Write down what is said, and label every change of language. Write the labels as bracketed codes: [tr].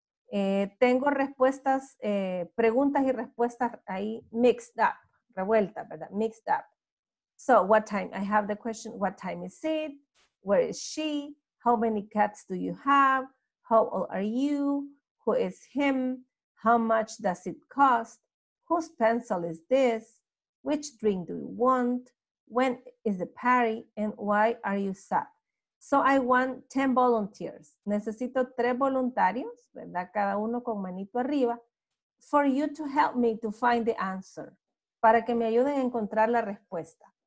[es] Tengo respuestas, preguntas y respuestas ahí [en] mixed up, [es] revuelta, ¿verdad? [en] Mixed up. So, what time? I have the question, what time is it? Where is she? How many cats do you have? How old are you? Who is him? How much does it cost? Whose pencil is this? Which drink do you want? When is the party? And why are you sad? So I want 10 volunteers. [es] Necesito 3 voluntarios, ¿verdad? Cada uno con manito arriba. [en] For you to help me to find the answer. [es] Para que me ayuden a encontrar la respuesta.